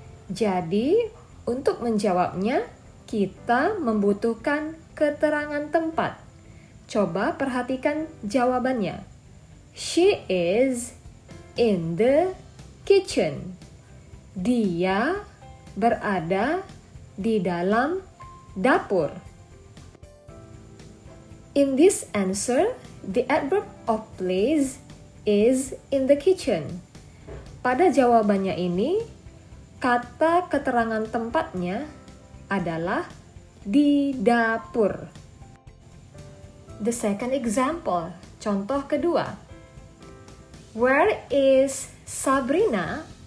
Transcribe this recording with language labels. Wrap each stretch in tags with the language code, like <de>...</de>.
<id>Jadi, untuk menjawabnya, kita membutuhkan keterangan tempat. Coba perhatikan jawabannya.</id> <en>She is in the kitchen.</en> <id>Dia berada di dalam dapur.</id> <en>In this answer, the adverb of place is in the kitchen.</en> <id>Pada jawabannya ini, kata keterangan tempatnya adalah di dapur.</id> <en>The second example,</en> <id>contoh kedua.</id> <en>Where is Sabrina?</en>